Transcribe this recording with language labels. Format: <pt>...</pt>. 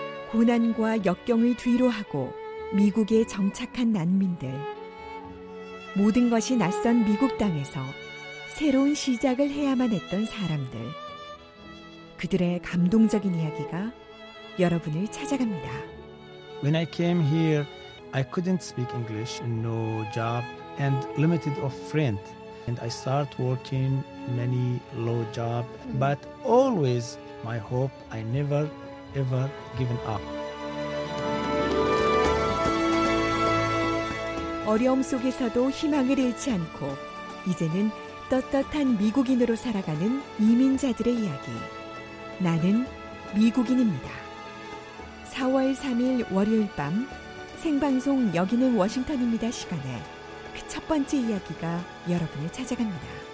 <ko>고난과 역경을 뒤로하고 미국에 정착한 난민들. 모든 것이 낯선 미국 땅에서 새로운 시작을 해야만 했던 사람들. 그들의 감동적인 이야기가 여러분을 찾아갑니다.</ko> <en>When I came here, I couldn't speak English, no job, and limited of friend. And I start working many low job, but always my hope I never ever given up.</en> <ko>어려움 속에서도 희망을 잃지 않고 이제는 떳떳한 미국인으로 살아가는 이민자들의 이야기. 나는 미국인입니다. 4월 3일 월요일 밤 생방송 여기는 워싱턴입니다 시간에 그 첫 번째 이야기가 여러분을 찾아갑니다.</ko>